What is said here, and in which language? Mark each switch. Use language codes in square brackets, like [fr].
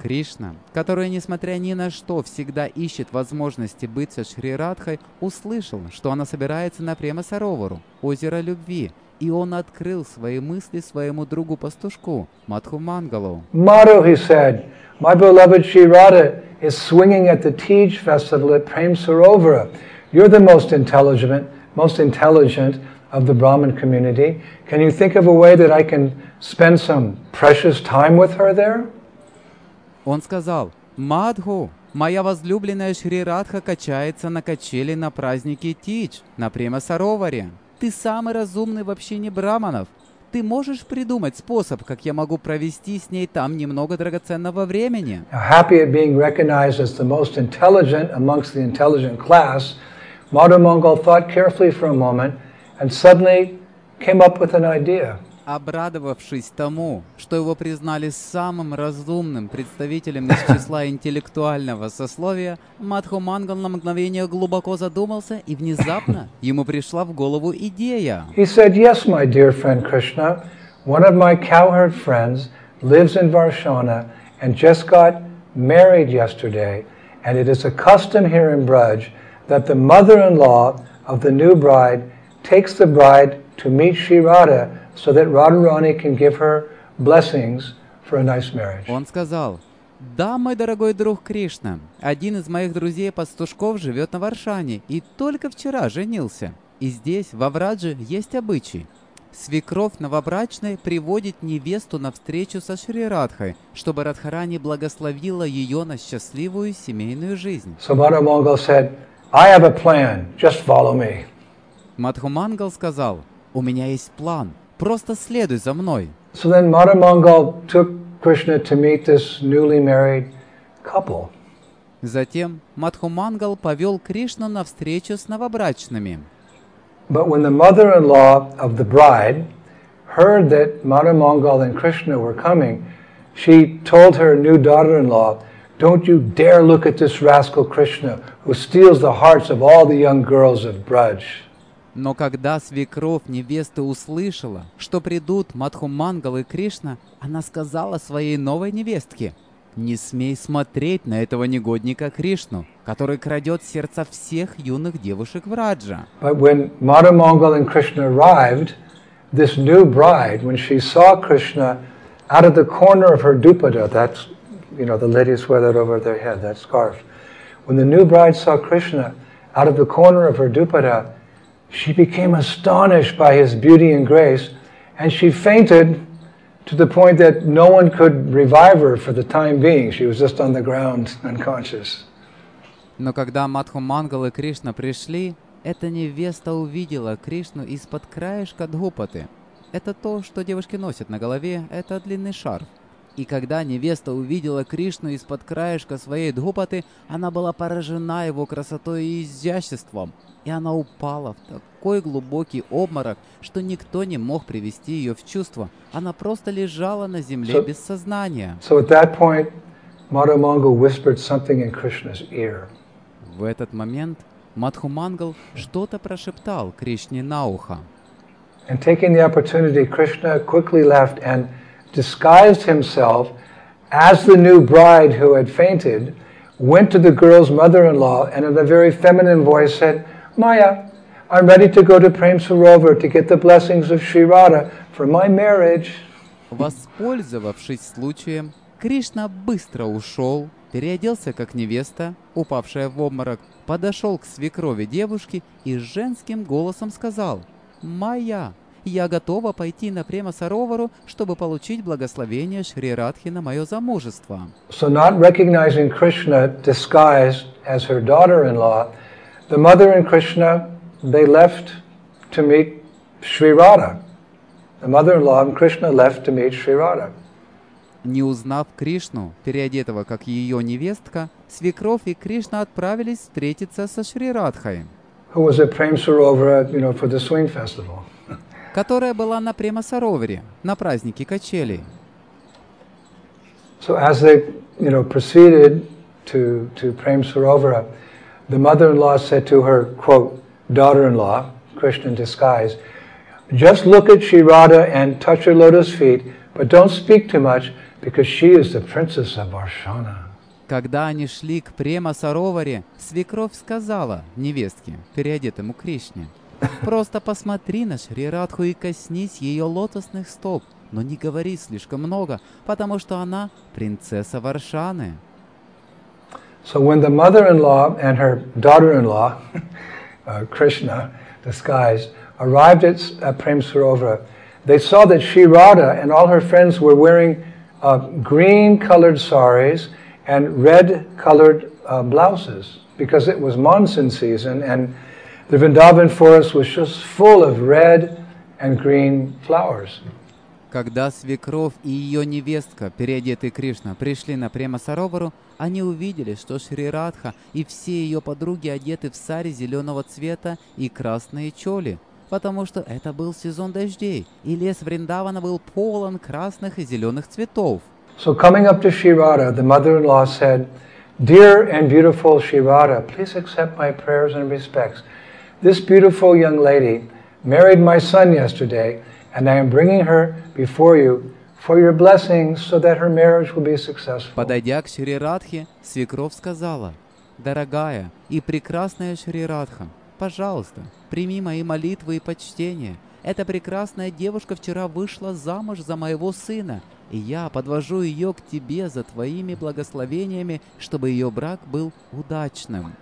[ru] Кришна, который, несмотря ни на что, всегда ищет возможности быть со Шри Радхой, услышал, что она собирается на Према Саровару, озеро любви, и он открыл свои мысли своему другу-пастушку, Мадху Мангалу. [en] Madhu, he said, my beloved Shri Radha is swinging at the Tej festival at Prem Sarovara. You're the most intelligent of the Brahmin community. Can you think of a way that I can spend some precious time with her there? [ru] Он сказал, Мадху, моя возлюбленная Шри Радха качается на качели на празднике Тидж на Према Сароваре. Ты самый разумный в общине брахманов. Ты можешь придумать способ, как я могу провести с ней там немного драгоценного времени? [en] Now, happy at being recognized as the most intelligent amongst the intelligent class, Madhu Mangal thought carefully for a moment and suddenly came up with an idea. [ru] Обрадовавшись тому, что его признали самым разумным представителем из числа интеллектуального сословия, Мадху Мангал на мгновение глубоко задумался, и внезапно ему пришла в голову идея. [en] He said, "Yes, my dear friend Krishna, one of my cowherd friends lives in Varshana and just got married yesterday, and it is a custom here in Braj that the mother-in-law of the new bride takes the bride to meet Shri Radha." So that Radharani can give her blessings for a nice marriage. [ru] Он сказал, «Да, мой дорогой друг Кришна, один из моих друзей-пастушков живет на Варшане и только вчера женился. И здесь, во Врадже, есть обычай. Свекровь новобрачной приводит невесту на встречу со Шри Радхой, чтобы Радхарани благословила ее на счастливую семейную жизнь». [en] So Madhu Mangal said, «I have a plan, just follow me». [ru] Мадху Мангал сказал, «У меня есть план». Просто следуй за мной. [en] So then Madhu Mangal took Krishna to meet this newly married couple. [ru] Затем Мадху Мангал повел Кришну на встречу с новобрачными. [en] But when the mother-in-law of the bride heard that Madhu Mangal and Krishna were coming, she told her new daughter-in-law, "Don't you dare look at this rascal Krishna who steals the hearts of all the young girls of Braj." [ru] Но когда свекровь невесты услышала, что придут Мадху Мангал и Кришна, она сказала своей новой невестке, «Не смей смотреть на этого негодника Кришну, который крадет сердца всех юных девушек в Раджа». [en] But when Madhu Mangal and Krishna arrived, this new bride, when she saw Krishna out of the corner of her dupatta, that's, you know, the ladies wear that over their head, that scarf. When the new bride saw Krishna out of the corner of her dupatta, she became astonished by his beauty and grace, and she fainted to the point that no one could revive her for the time being. She was just on the ground, unconscious. [ru] Но когда Мадху Мангал и Кришна пришли, Эта невеста увидела Кришну из-под краешка Дхупаты. Это то, что девушки носят на голове, это длинный шарф. И когда невеста увидела Кришну из-под краешка своей Дхупаты, она была поражена его красотой и изяществом. И она упала в такой глубокий обморок, что никто не мог привести ее в чувство. Она просто лежала на земле без сознания. [en] So at that point, Madhu Mangal whispered something in Krishna's ear. [ru] В этот момент Мадху Мангал что-то прошептал Кришне на ухо. [en] And taking the opportunity, Krishna quickly left and disguised himself as the new bride who had fainted, went to the girl's mother-in-law, and in a very feminine voice said, Maya, I'm ready to go to Prem Sarovar to get the blessings of Sri Radha for my marriage. [ru] Воспользовавшись случаем, Кришна быстро ушел, переоделся как невеста, упавшая в обморок, подошел к свекрови девушки и женским голосом сказал, «Майя, я готова пойти на Према Саровару, чтобы получить благословение Шри Радхи на мое замужество». [en] So not recognizing Krishna disguised as her daughter-in-law, the mother and Krishna, they left to meet Sri Radha. The mother-in-law and Krishna left to meet Sri Radha. [ru] Не узнав Кришну, переодетого как ее невестка, свекровь и Кришна отправились встретиться со Шри Радхой, [en] who was at Prem Sarovara, you know, for the swing festival. [ru] Которая была на Према Сароваре, на празднике качелей. [en] So as they, you know, proceeded to Prem Sarovara, the mother-in-law said to her, quote, daughter-in-law, Krishna in disguise, just look at Sri Radha and touch her lotus feet, but don't speak too much, because she is the princess of Varshana. [ru] Когда они шли к Према Сароваре, свекровь сказала невестке, переодетому Кришне, просто посмотри на Шри Радху и коснись ее лотосных стоп, но не говори слишком много, потому что она принцесса Варшаны. [en] So when the mother-in-law and her daughter-in-law, Krishna, disguised, arrived at Prem Sarovara, they saw that Sri Radha and all her friends were wearing green-colored saris and red-colored blouses, because it was monsoon season and the Vrindavan forest was just full of red and green flowers. [ru] Когда свекровь и ее невестка, переодетый Кришна, пришли на Према Саровару, они увидели, что Шри Радха и все ее подруги одеты в сари зеленого цвета и красные чоли, потому что это был сезон дождей, и лес Вриндавана был полон красных и зеленых цветов. [en] So coming up to Sri Radha, the mother-in-law said, Dear and beautiful Sri Radha, please accept my prayers and respects. This beautiful young lady married my son yesterday, and I am bringing her before you for your blessings so that her marriage will be successful. [ru] Подойдя к Шри Радхе, свекровь сказала, Дорогая и прекрасная Шри Радха, пожалуйста, прими мои молитвы и почтения. Эта прекрасная девушка вчера вышла замуж за моего сына, и я подвожу ее к тебе за твоими благословениями, чтобы ее брак был удачным.